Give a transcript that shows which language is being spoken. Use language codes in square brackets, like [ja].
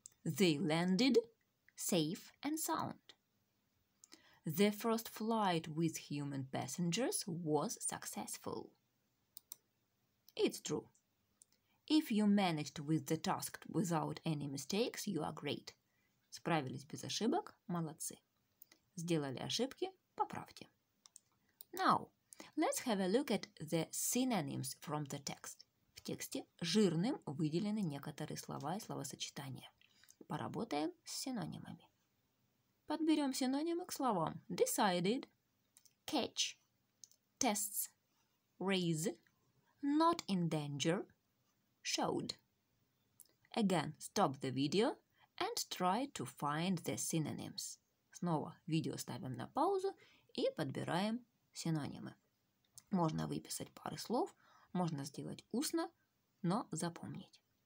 [en] They landed safe and sound. The first flight with human passengers was successful. It's true. If you managed with the task without any mistakes, you are great. [ru] Справились без ошибок, молодцы. Сделали ошибки, поправьте. [en] Now, let's have a look at the synonyms from the text. [ru] В тексте жирным выделены некоторые слова и словосочетания. Поработаем с синонимами. Подберем синонимы к словам. [en] Decided, catch, tests, raise, not in danger, showed. Again, stop the video and try to find the synonyms. [ru] Снова видео ставим на паузу и подбираем синонимы. Можно выписать пары слов, можно сделать устно, но запомнить.